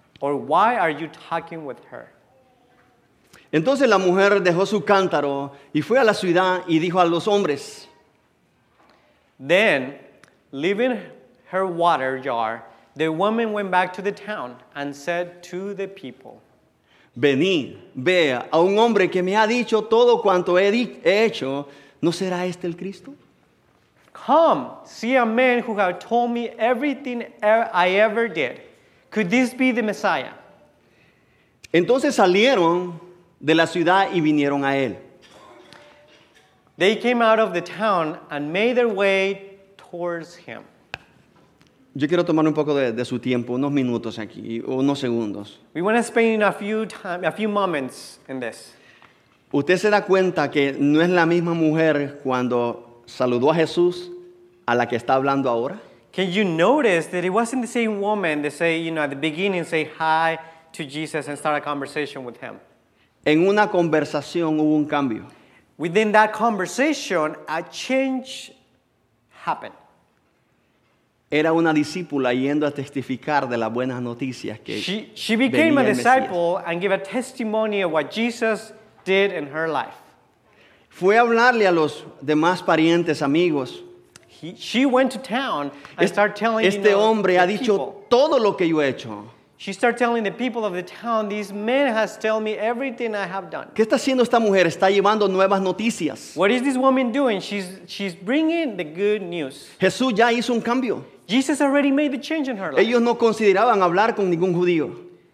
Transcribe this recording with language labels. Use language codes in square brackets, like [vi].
[en] Or why are you talking with her? [es] Entonces la mujer dejó su cántaro y fue a la ciudad y dijo a los hombres. [en] Then, leaving her water jar, the woman went back to the town and said to the people, [es] venid, vea, a un hombre que me ha dicho todo cuanto he hecho, ¿no será este el Cristo? [en] Come, see a man who has told me everything I ever did. Could this be the Messiah? [es] Entonces salieron de la ciudad y vinieron a él. [en] They came out of the town and made their way towards him. [es] Yo quiero tomar un poco de su tiempo, unos minutos aquí, unos segundos. [en] We want to spend a few moments in this. [es] Usted se da cuenta que no es la misma mujer cuando saludó a Jesús a la que está hablando ahora. [en] Can you notice that it wasn't the same woman that say, you know, at the beginning say hi to Jesus and start a conversation with him? [es] En una conversación hubo un cambio. [en] Within that conversation, a change happened. [es] Era una discípula yendo a testificar de las buenas noticias que [en] She became a disciple and gave a testimony of what Jesus did in her life. [es] Fue a hablarle a los demás parientes, amigos. [en] She went to town and started telling [es] este hombre ha dicho todo lo que yo he hecho. [en] She started telling the people of the town, this man has told me everything I have done. [es] ¿Qué está haciendo esta mujer? Está llevando nuevas noticias. [en] What is this woman doing? She's bringing the good news. [es] Jesús ya hizo un cambio. [en] Jesus already made the change in her life. [es] Ellos no consideraban hablar con ningún judío.